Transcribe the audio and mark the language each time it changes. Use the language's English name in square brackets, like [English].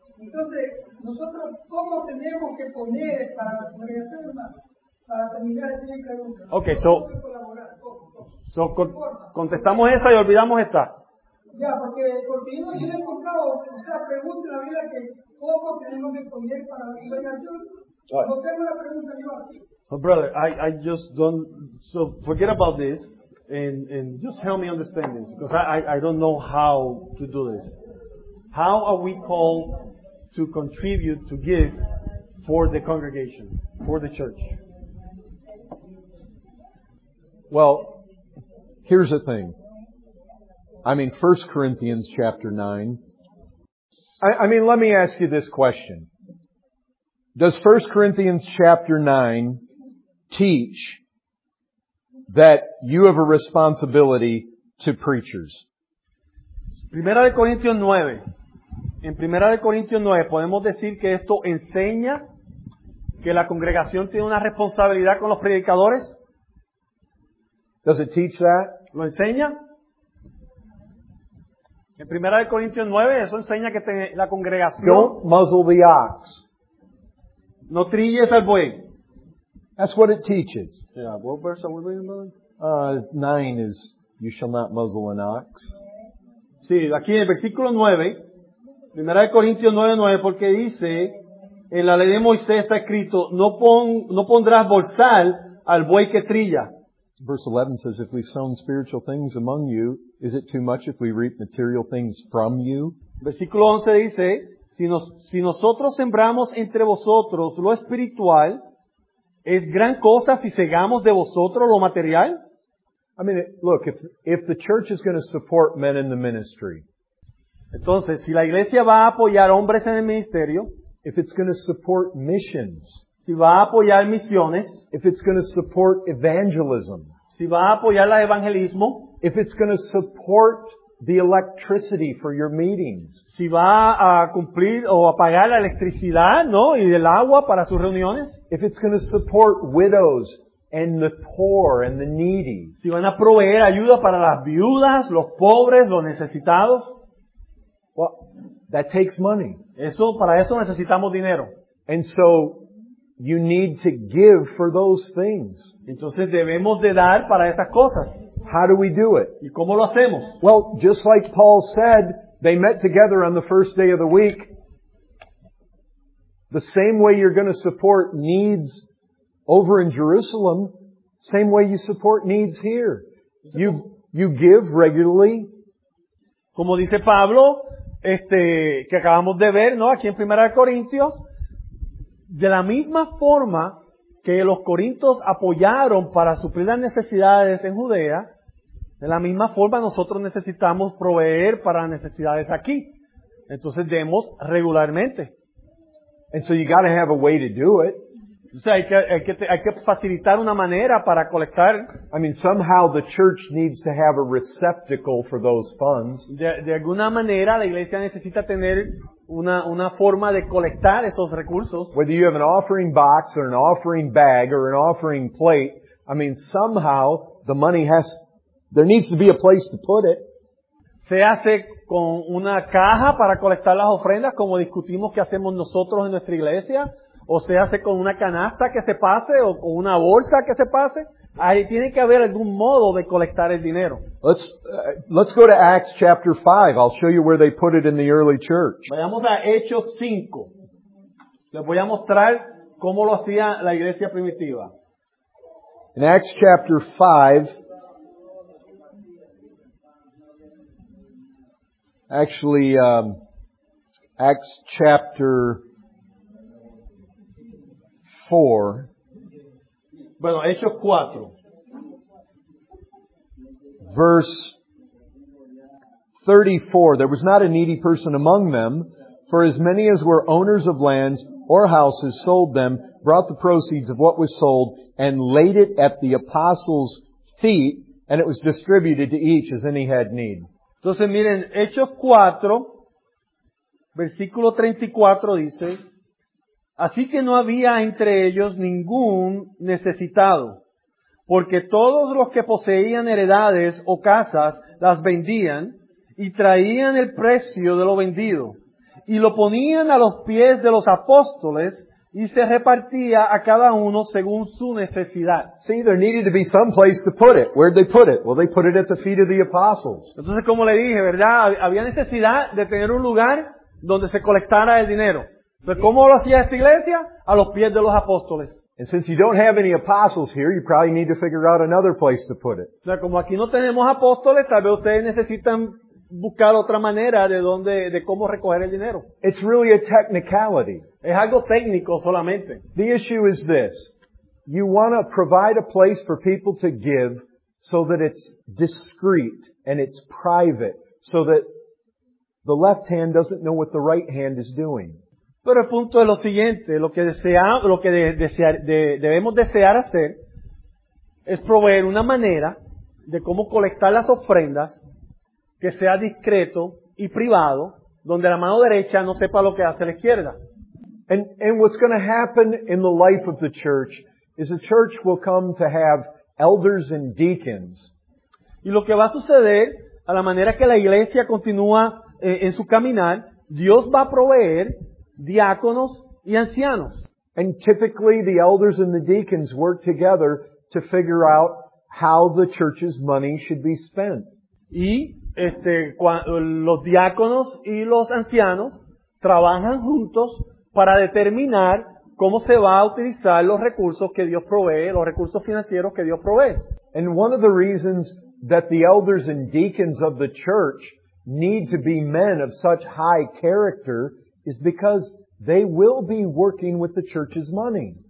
[Spanish] Entonces, nosotros, ¿cómo tenemos que poner para regresar, hermano? Para terminar esa pregunta. Okay, so. So, contestamos esa y olvidamos esta. Ya, porque yo no he encontrado esa pregunta en la vida que, ¿cómo tenemos que poner para la regresión? [English] Oh, brother, I just don't, so forget about this and just help me understand this, because I don't know how to do this. How are we called to contribute, to give for the congregation, for the church? Well, here's the thing. I mean, 1 Corinthians chapter 9. I mean, let me ask you this question. Does 1 Corinthians chapter 9 teach that you have a responsibility to preachers? [Spanish] Primera de Corintios 9. En Primera de Corintios 9 podemos decir que esto enseña que la congregación tiene una responsabilidad con los predicadores. [English] Does it teach that? [Spanish] ¿Lo enseña? En Primera de Corintios 9 eso enseña que la congregación. [English] Don't muzzle the ox. [Spanish] No trilles al buey. [English] That's what it teaches. Yeah, what verse are we reading, brother? 9 is, you shall not muzzle an ox. [Spanish] Sí, aquí en el versículo 9, Primera de Corintios 9:9, porque dice, en la ley de Moisés está escrito, no pondrás bolsal al buey que trilla. [English] Verse 11 says, if we've sown spiritual things among you, is it too much if we reap material things from you? [Spanish] Versículo 11 dice, si nosotros sembramos entre vosotros lo espiritual, ¿es gran cosa si segamos de vosotros lo material? [English] I mean, look, if the church is going to support men in the ministry, [Spanish] entonces, si la iglesia va a apoyar hombres en el ministerio, [English] if it's going to support missions, [Spanish] si va a apoyar misiones, [English] if it's going to support evangelism, [Spanish] si va a apoyar el evangelismo, [English] if it's going to support the electricity for your meetings, [Spanish] si va a cumplir o a pagar la electricidad, ¿no? Y el agua para sus reuniones, [English] if it's going to support widows and the poor and the needy, [Spanish] si van a proveer ayuda para las viudas, los pobres, los necesitados, [English] well, that takes money. [Spanish] Eso, para eso necesitamos dinero. [English] And so you need to give for those things. [Spanish] Entonces debemos de dar para esas cosas. [English] How do we do it? [Spanish] ¿Y cómo lo hacemos? [English] Well, just like Paul said, they met together on the first day of the week. The same way you're going to support needs over in Jerusalem, same way you support needs here. You give regularly. [Spanish] Como dice Pablo, que acabamos de ver, ¿no? Aquí en Primera de Corintios, de la misma forma que los corintios apoyaron para suplir las necesidades en Judea, de la misma forma nosotros necesitamos proveer para necesidades aquí. Entonces demos regularmente. [English] And so you got to have a way to do it. [Spanish] O sea, hay que facilitar una manera para colectar. [English] I mean, somehow the church needs to have a receptacle for those funds. [Spanish] De alguna manera la iglesia necesita tener una forma de colectar esos recursos. [English] Whether you have an offering box or an offering bag or an offering plate, I mean, somehow the money has, there needs to be a place to put it. [Spanish] Se hace con una caja para colectar las ofrendas, como discutimos que hacemos nosotros en nuestra iglesia, o se hace con una canasta que se pase, o con una bolsa que se pase. Ahí tiene que haber algún modo de colectar el dinero. [English] Let's go to Acts chapter 5. I'll show you where they put it in the early church. [Spanish] Vayamos a Hechos 5. Les voy a mostrar cómo lo hacía la iglesia primitiva. [English] In Acts chapter 5, actually, Acts chapter 4. [Spanish] Bueno, Hechos 4. [English] Verse 34. There was not a needy person among them, for as many as were owners of lands or houses sold them, brought the proceeds of what was sold, and laid it at the apostles' feet, and it was distributed to each as any had need. [Spanish] Entonces miren, Hechos 4, versículo 34 dice, así que no había entre ellos ningún necesitado, porque todos los que poseían heredades o casas las vendían y traían el precio de lo vendido y lo ponían a los pies de los apóstoles y se repartía a cada uno según su necesidad. [English] See, there needed to be some place to put it. Where'd they put it? Well, they put it at the feet of the apostles. [Spanish] Entonces, como le dije, ¿verdad? Había necesidad de tener un lugar donde se colectara el dinero. Pero ¿cómo lo hacía esta iglesia? A los pies de los apóstoles. [English] And since you don't have any apostles here, you probably need to figure out another place to put it. [Spanish] O sea, como aquí no tenemos apóstoles, tal vez ustedes necesitan buscar otra manera de dónde, de cómo recoger el dinero. [English] It's really a technicality. [Spanish] Es algo técnico solamente. [English] The issue is this. You want to provide a place for people to give so that it's discreet and it's private, so that the left hand doesn't know what the right hand is doing. [Spanish] Pero el punto es lo siguiente, debemos desear hacer es proveer una manera de cómo colectar las ofrendas que sea discreto y privado, donde la mano derecha no sepa lo que hace la izquierda. [English] And what's going to happen in the life of the church is the church will come to have elders and deacons. [Spanish] Y lo que va a suceder a la manera que la iglesia continúa en su caminar, Dios va a proveer diáconos y ancianos. [English] And typically the elders and the deacons work together to figure out how the church's money should be spent. [Spanish] Y los diáconos y los ancianos trabajan juntos para determinar cómo se va a utilizar los recursos que Dios provee, los recursos financieros que Dios provee. [English] And one of the reasons that the elders and deacons of the church need to be men of such high character is because they will be working with the church's money.